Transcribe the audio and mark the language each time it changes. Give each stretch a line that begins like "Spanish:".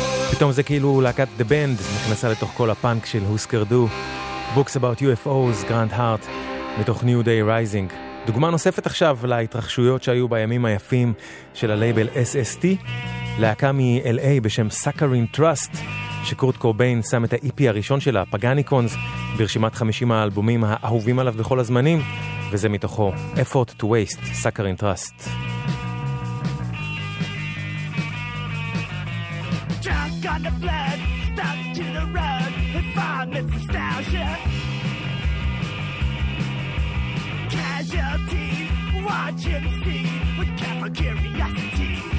Hebrew: פתאום זה כאילו להקת דה בנד נכנסה לתוך כל הפאנק של הוסקר דו, Books About UFOs, גראנט הארט, מתוך New Day Rising. דוגמה נוספת עכשיו להתרחשויות שהיו בימים היפים של הלייבל SST, להקה מ-LA בשם Saccharine Trust, שקורט קורביין שם את ה-EP הראשון שלה, פגאניקונס, ברשימת 50 האלבומים האהובים עליו בכל הזמנים, וזה מתוכו Effort to Waste, Saccharine Trust.
English: Got the blood stuck to the rug and find its nostalgia. Casualties watch and see with careful curiosity.